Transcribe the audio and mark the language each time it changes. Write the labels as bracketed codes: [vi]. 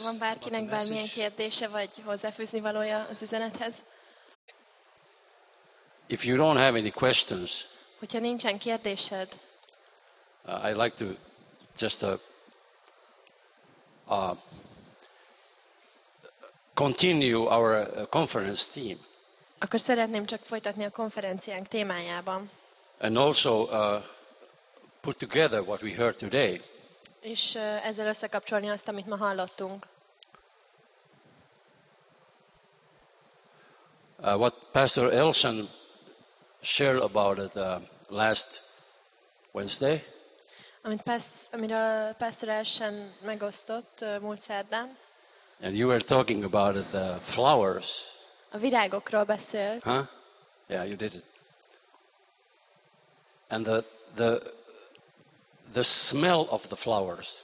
[hu] Van bárkinek bármilyen kérdése vagy hozzáfűzni valója az üzenethez? [en] If you don't have any questions, [hu] hogyha nincsen kérdésed, [en] I'd like to just continue our conference theme. [hu] Akkor szeretném csak folytatni a konferenciánk témájában. [en] And also put together what we heard today. [hu] És ezzel összekapcsolni azt, amit ma hallottunk. [en] What Pastor Elson shared about it last Wednesday. [hu] Amiről Pastor Elson megosztott múlt szerdán. [en] And you were talking about the flowers. [hu] A virágokról beszélt. [en] Huh? Yeah, you did it. And the smell of the flowers.